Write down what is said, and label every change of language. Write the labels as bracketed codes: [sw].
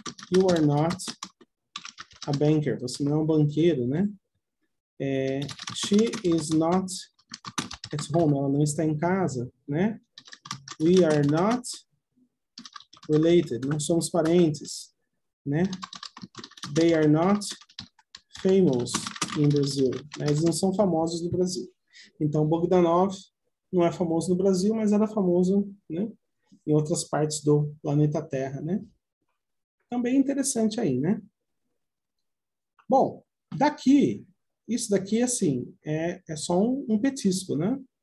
[en] You are not a banker. [pt] Você não é um banqueiro, né? [en] É, she is not at home. [pt] Ela não está em casa, né? [en] We are not related, [pt] não somos parentes, né? [en] They are not famous in Brazil. [pt] Eles não são famosos no Brasil. Então, Bogdanov não é famoso no Brasil, mas era famoso, né, em outras partes do planeta Terra, né? Também interessante aí, né? Bom, daqui, isso daqui, assim, é só um petisco, né?